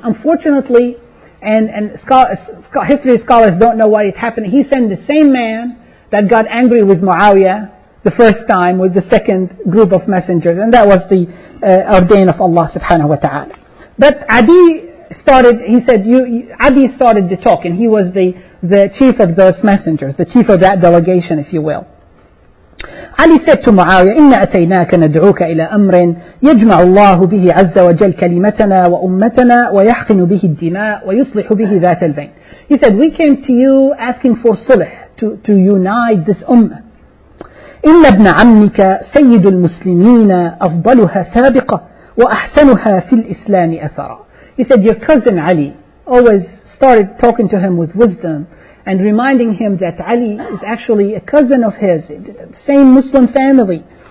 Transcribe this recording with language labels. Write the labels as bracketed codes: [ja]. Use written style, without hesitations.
[en] Unfortunately, and history scholars don't know why it happened, he sent the same man that got angry with Muawiyah the first time with the second group of messengers, and that was the ordain of Allah subhanahu wa ta'ala. But Adi started, he said, Adi started the talk, and he was the chief of those messengers, the chief of that delegation, if you will. Ali said to Muawiyah, [ar] إِنَّ أَتَيْنَاكَ نَدْعُوكَ إِلَى أَمْرٍ يَجْمَعُ اللَّهُ بِهِ عَزَّ وَجَلْ كَلِمَتَنَا وَأُمَّتَنَا وَيَحْقِنُ بِهِ الدِّمَاءُ وَيُصْلِحُ بِهِ ذَاتَ الْبَيْنِ. [en] He said, we came to you asking for sulh, to unite this ummah. [ar] إِنَّ ابْنَ عَمِّكَ سَيِّدُ الْمُسْلِمِينَ أَفْضَلُهَا سَابِقَ وَأَحْسَنُهَا فِي الْإِسْلَامِ أَثَرًا. [en] He said, your cousin Ali, always started talking to him with wisdom and reminding him that Ali is actually a cousin of his, the same Muslim family.